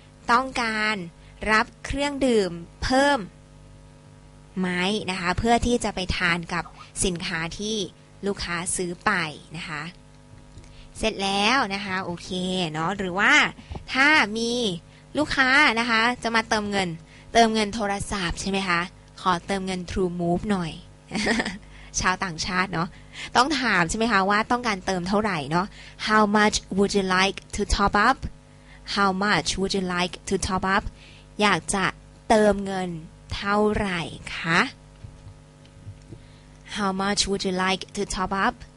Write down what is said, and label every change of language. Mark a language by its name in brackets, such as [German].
[Thai] ต้องการรับเครื่องดื่มเพิ่มไหมนะคะเพื่อที่จะไปทานกับสินค้าที่ลูกค้าซื้อไปนะคะเสร็จแล้วนะคะโอเคเนาะหรือว่าถ้ามีลูกค้านะคะจะมาเติมเงินโทรศัพท์ใช่ไหมคะขอเติมเงิน True Move หน่อยชาวต่างชาติเนาะต้องถามใช่ไหมคะว่าต้องการเติมเท่าไหร่เนาะ [English] How much would you like to top up? How much would you like to top up? [Thai] อยากจะเติมเงินเท่าไหร่คะ [English] How much would you like to top up?